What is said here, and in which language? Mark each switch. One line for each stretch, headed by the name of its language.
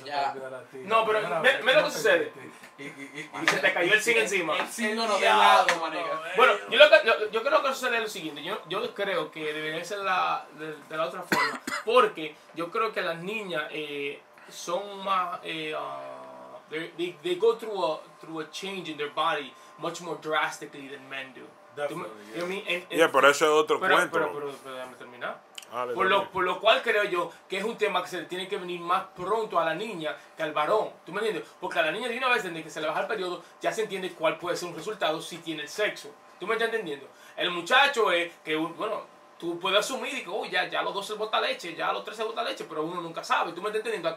Spanish: olvidar a ti. No, pero, mira lo que sucede. Y se te cayó el zinc encima. El zinc no de lado, manega. Bueno, yo creo que sucede lo siguiente. Yo creo que debería ser de la otra forma. Porque yo creo que las niñas son más...
English: They go through a change in their body much more drastically than men do.
Spanish: Pero eso es otro cuento. Pero déjame terminar. Por lo cual creo yo que es un tema que se le tiene que venir más pronto a la niña que al varón. ¿Tú me entiendes? Porque a la niña de una vez, desde que se le baja el periodo, ya se entiende cuál puede ser un resultado si tiene el sexo. ¿Tú me estás entendiendo? El muchacho es que, bueno, tú puedes asumir y que, oh, ya a los 12 bota leche, ya a los 13 bota leche, pero uno nunca sabe. ¿Tú me estás entendiendo?